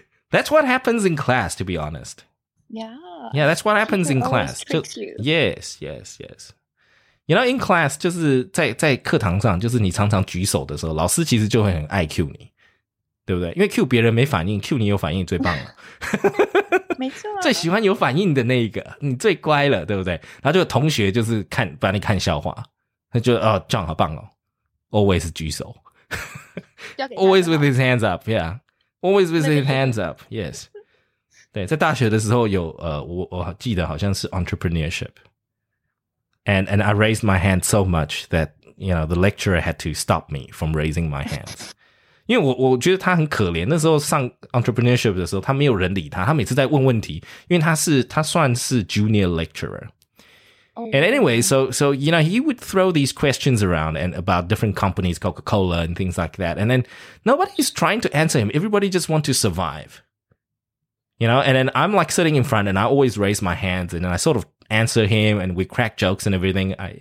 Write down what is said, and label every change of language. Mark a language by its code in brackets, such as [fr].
[en] That's what happens in class, to be honest. Yeah. Yeah, that's what happens in class. Just, yes, yes, yes. You know, in class, [zh] 就是在课堂上就是你常常举手的时候老师其实就会很爱 cue 你。对不对因为 cue 别人没反应 cue 你有反应最棒了。没错。最喜欢有反应的那一个你最乖了对不对然后就同学就是看把你看笑话。他就哦 John 好棒哦。 Always 举手。 [en] Always with his hands up, yeah. Always with his hands up, yes. [zh] 对，在大学的时候有我记得好像是 entrepreneurship. [en] And I raised my hand so much that, you know, the lecturer had to stop me from raising my hand. [zh] 因为我觉得他很可怜，那时候上 entrepreneurship 的时候他没有人理他，他每次在问问题，因为他算是 junior lecturer. [en] And anyway, so, you know, he would throw these questions around and about different companies, Coca-Cola and things like that. And then nobody's trying to answer him. Everybody just want to survive, you know, and then I'm like sitting in front and I always raise my hands and then I sort of answer him and we crack jokes and everything.